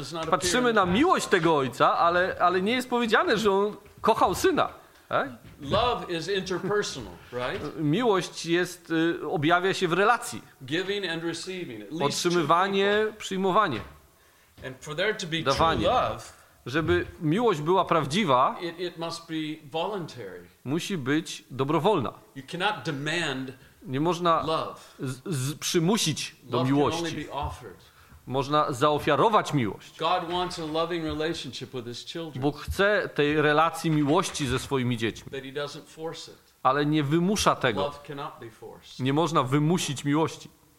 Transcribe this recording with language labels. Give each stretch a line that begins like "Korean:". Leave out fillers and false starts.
Polish: Patrzymy na miłość tego ojca, ale nie jest powiedziane, że on kochał syna.
English: Love is interpersonal, right?
Polish: Miłość jest, objawia się w relacji.
English: Giving and receiving.
Polish: Otrzymywanie, przyjmowanie.
English: And for there to be true love,
Polish: żeby miłość była prawdziwa,
English: it must be voluntary.
Polish: Musi być dobrowolna.
English: You cannot demand,
Polish: nie można przymusić do miłości.
English: Love can only be offered.
Polish: Można zaofiarować miłość.
English: God wants a loving relationship with his children.
Polish: Bóg chce tej relacji miłości ze swoimi dziećmi.
English: But he doesn't force it.
Polish: Ale nie wymusza tego.
English: Love cannot be forced.
Polish: Nie można wymusić miłości.